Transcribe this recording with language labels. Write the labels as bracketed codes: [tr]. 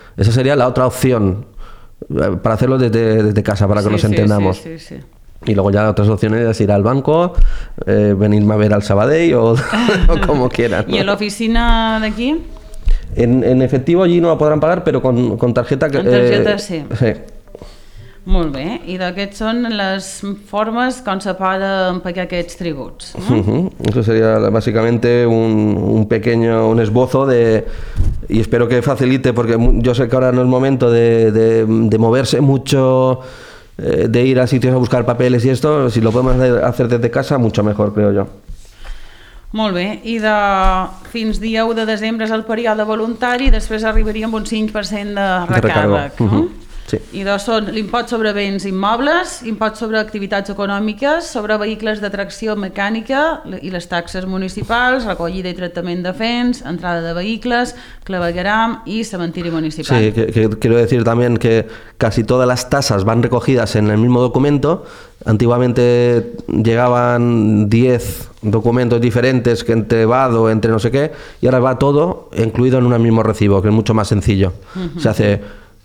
[es] Esa sería la otra opción para hacerlo desde casa, para que entendamos. Sí. Y luego ya otras opciones es ir al banco, venirme a ver al Sabadell o o como quieran, ¿no? ¿Y en la oficina de aquí? En efectivo allí no la podrán pagar, pero con tarjeta... Con tarjeta, sí. [ca] Molt bé, i d'aquests són les formes com se poden pagar aquests tributs. No? Uh-huh. [es] Eso sería básicamente un pequeño, un esbozo de... Y espero que facilite, porque yo sé que ahora no es momento de moverse mucho, de ir a sitios a buscar papeles y esto. Si lo podemos hacer desde casa, mucho mejor, creo yo. [ca] Molt bé, i de fins dia 1 de desembre és el període voluntari, després arribaríem un 5% de recàrrec. [es] Sí. [ca] I dos són l'impost sobre béns immobles, impost sobre activitats econòmiques, sobre vehicles de tracció mecànica i les taxes municipals, recollida i tractament de fens, entrada de vehicles, clavegueram i cementiri municipal. [es] Sí, que quiero decir también que casi todas las tasas van recogidas en el mismo documento. Antiguamente llegaban 10 documentos diferentes, que entre vado, entre no sé qué, y ahora va todo incluido en un mismo recibo, que es mucho más sencillo. Uh-huh. Se hace...